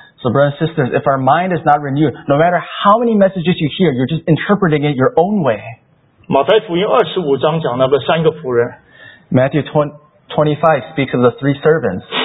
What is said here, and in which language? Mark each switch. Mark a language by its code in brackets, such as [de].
[en] So brothers and sisters, if our mind is not renewed, no matter how many messages you hear, you're just interpreting it your own way. [zh] 马太福音25章讲那个三个仆人。 [en] Matthew 25 speaks of the three servants.